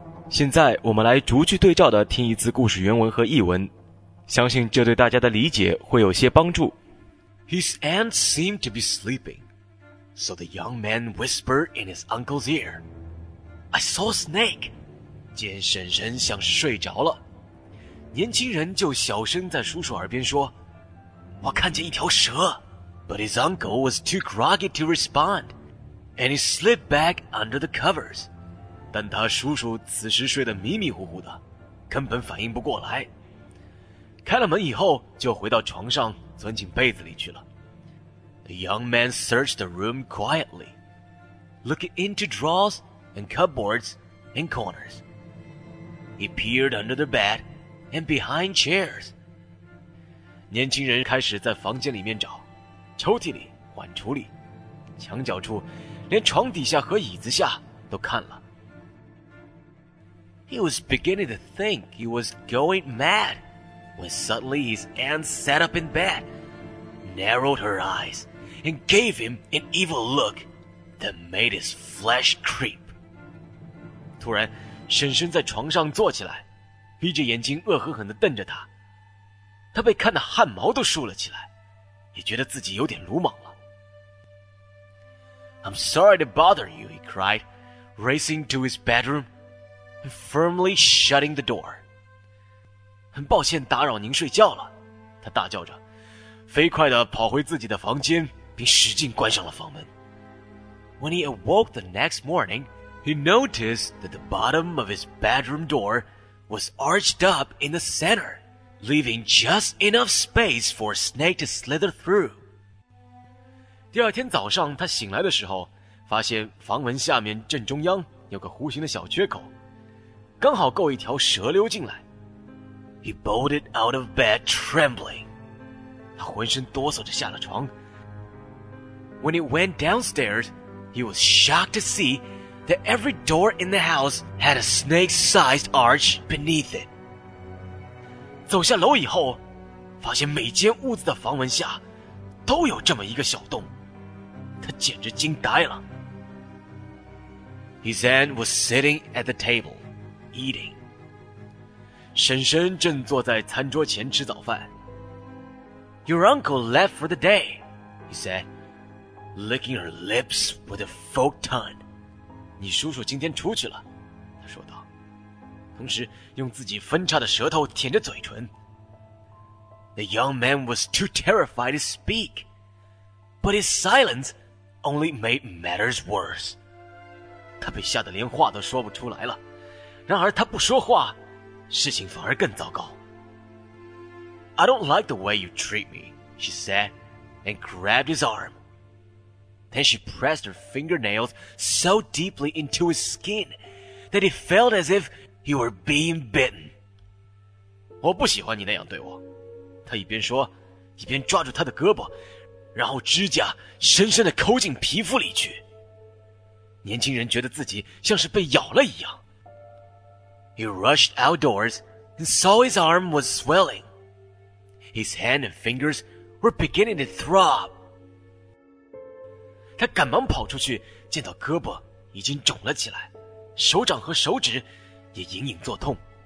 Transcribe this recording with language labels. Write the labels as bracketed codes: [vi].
[zh] 现在我们来逐句对照地听一次故事原文和译文，相信这对大家的理解会有些帮助。 [en] His aunt seemed to be sleeping, so the young man whispered in his uncle's ear, I saw a snake. [zh] 见婶婶像是睡着了，年轻人就小声在叔叔耳边说，我看见一条蛇。 [en] But his uncle was too groggy to respond, and he slipped back under the covers. [zh] 但他叔叔此时睡得迷迷糊糊的，根本反应不过来。开了门以后，就回到床上，钻进被子里去了。 [en] The young man searched the room quietly, looking into drawers and cupboards and corners. He peered under the bed and behind chairs. [zh] 年轻人开始在房间里面找，抽屉里、碗橱里、墙角处，连床底下和椅子下都看了。 [en] He was beginning to think he was going mad when suddenly his aunt sat up in bed, narrowed her eyes, and gave him an evil look that made his flesh creep. [zh] 突然，婶婶在床上坐起来，闭着眼睛恶狠狠地瞪着他。他被看得汗毛都竖了起来，也觉得自己有点鲁莽了。 [en] I'm sorry to bother you, he cried, racing to his bedroom. Firmly shutting the door. [zh] 很抱歉打扰您睡觉了，他大叫着，飞快地跑回自己的房间，并使劲关上了房门。 [en] When he awoke the next morning, he noticed that the bottom of his bedroom door was arched up in the center, leaving just enough space for a snake to slither through. [zh] 第二天早上，他醒来的时候，发现房门下面正中央有个弧形的小缺口。刚好够一条蛇溜进来。 [en] He bolted out of bed trembling. [zh] 他浑身哆嗦着下了床。 [en] When he went downstairs, he was shocked to see that every door in the house had a snake-sized arch beneath it. [zh] 走下楼以后，发现每间屋子的房门下都有这么一个小洞。他简直惊呆了。 [en] His aunt was sitting at the table. Eating. [zh] 婶婶正坐在餐桌前吃早饭。 [en] Your uncle left for the day, he said, licking her lips with a forked tongue. [zh] 你叔叔今天出去了，他说道，同时用自己分叉的舌头舔着嘴唇。 [en] The young man was too terrified to speak, but his silence only made matters worse. [zh] 他被吓得连话都说不出来了。然而他不说话，事情反而更糟糕。 [en] I don't like the way you treat me, she said, and grabbed his arm. Then she pressed her fingernails so deeply into his skin that it felt as if he were being bitten. [zh] 我不喜欢你那样对我，他一边说，一边抓住他的胳膊，然后指甲深深地抠进皮肤里去。年轻人觉得自己像是被咬了一样。 [en] He rushed outdoors and saw his arm was swelling. His hand and fingers were beginning to throb. [zh] 他赶忙跑出去，见到胳膊已经肿了起来，手掌和手指也隐隐作痛。